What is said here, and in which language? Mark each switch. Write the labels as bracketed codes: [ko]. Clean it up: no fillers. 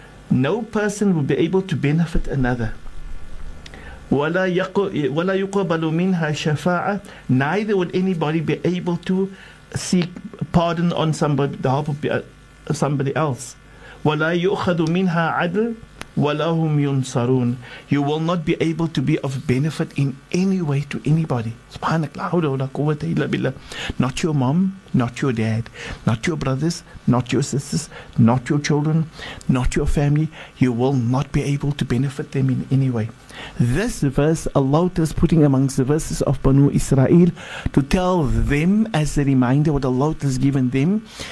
[en] No person will be able to benefit another. [ar] وَلَا يُقَبَلُ مِنْهَا شَفَاعَةً. [en] Neither would anybody be able to seek pardon on somebody, the help of somebody else. [ar] وَلَا يُؤْخَذُ مِنْهَا عَدْلٌ وَلَا هُمْ يُنصَرُونَ. [en] You will not be able to be of benefit in any way to anybody. [ar] سبحانك لا حول ولا قوة إلا بالله. [en] Not your mom, not your dad, not your brothers, not your sisters, not your children, not your family. You will not be able to benefit them in any way. This verse Allah is putting amongst the verses of Banu Israel to tell them as a reminder what Allah has given them.